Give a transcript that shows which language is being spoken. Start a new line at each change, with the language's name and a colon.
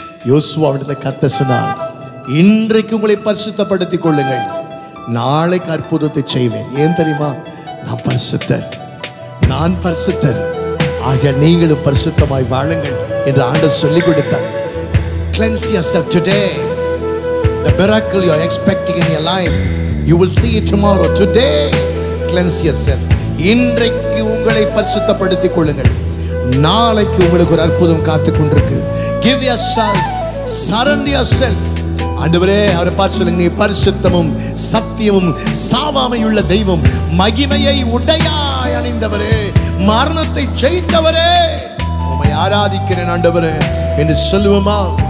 Tamil: யோசுவா அவர்களே கர்த்தர் சொன்னார் இன்றைக்கு உங்களை பரிசுத்தப்படுத்திக் கொள்ளுங்கள் நாளைக்கு அற்புதத்தை செய்வேன் ஏன் தெரியுமா நான் பரிசுத்தர் நான் பரிசுத்தர் ஆக நீங்களும் பரிசுத்தமாய் வாழுங்கள் என்று ஆண்டவர் சொல்லிக் கொடுத்தார்
English: Cleanse yourself today. The miracle you're expecting in your life, you will see it tomorrow. Today, cleanse yourself.
Tamil: இன்றைக்கு உங்களை பரிசுத்தப்படுத்திக் கொள்ளுங்கள் நாளைக்கு உங்களுக்கு ஒரு அற்புதம் காத்துக் கொண்டிருக்கு
English: Give yourself, surrender yourself.
Tamil: ஆண்டவரே அவரை பார்த்து நீ பரிசுத்தமும் சத்தியமும் சாவாமையுள்ள தெய்வம் மகிமையை உடையாய் அணிந்தவரே மரணத்தை ஜெயித்தவரே உம்மை ஆராதிக்கிறேன் ஆண்டவரே என்று சொல்லுவோமா